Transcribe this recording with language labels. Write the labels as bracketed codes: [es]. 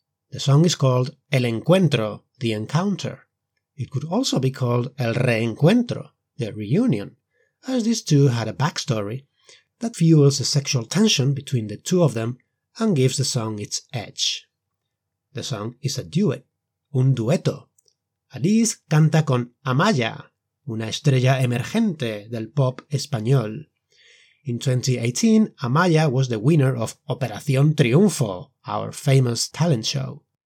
[en] The song is called El Encuentro, The Encounter. It could also be called El Reencuentro, The Reunion, as these two had a backstory that fuels the sexual tension between the two of them and gives the song its edge. The song is a duet, un dueto. [es] Alice canta con Amaya, una estrella emergente del pop español. [en] In 2018, Amaya was the winner of Operación Triunfo, our famous talent show.